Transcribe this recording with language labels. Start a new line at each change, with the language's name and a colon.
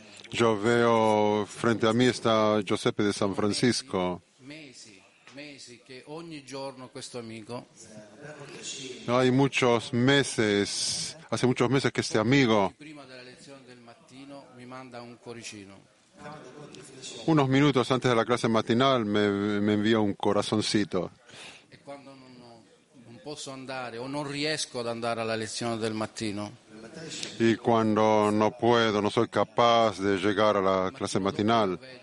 Spanish: Yo veo frente a mí está Giuseppe de San Francisco.
Italian: Mesi che ogni giorno questo amico.
Spanish: Hay muchos meses, hace muchos meses que este amigo.
Italian: Prima della lezione del mattino mi manda un cuoricino.
Spanish: Unos minutos antes de la clase matinal me envía un corazoncito.
Italian: E quando non posso andare o non riesco ad andare alla lezione del mattino.
Spanish: Y cuando no puedo, no soy capaz de llegar a la clase matinal.